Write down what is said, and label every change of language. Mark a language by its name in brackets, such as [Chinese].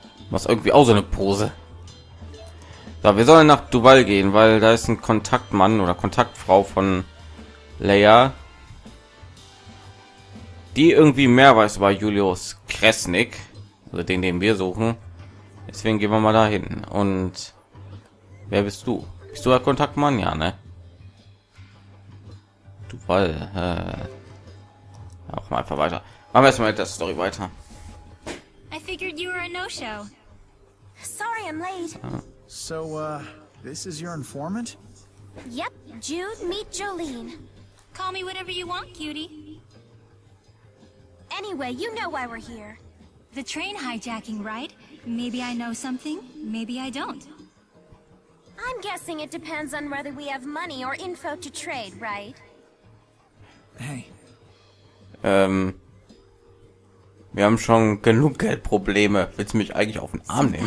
[German] Was irgendwie auch so eine Pose. So, wir sollen nach Duval gehen, weil da ist ein Kontaktmann oder Kontaktfrau von Leia, die irgendwie mehr weiß über Julius Kresnik, also den wir suchen. Deswegen gehen wir mal dahin. Und wer bist du? Bist du der Kontaktmann? Ja, ne? Duval. Auch mal einfach weiter. Machen wir erstmal mit der Story weiter. [English] I figured you were a no-show. Sorry, I'm late. So, this is your informant? Yep, Jude, meet Jolene. Call me whatever you want, cutie. Anyway, you know why we're here. The train hijacking, right? Maybe I know something, maybe I don't. I'm guessing it depends on whether we have money or info to trade, right? Hey. [German] Wir haben schon genug Geldprobleme. Willst du mich eigentlich auf den Arm nehmen?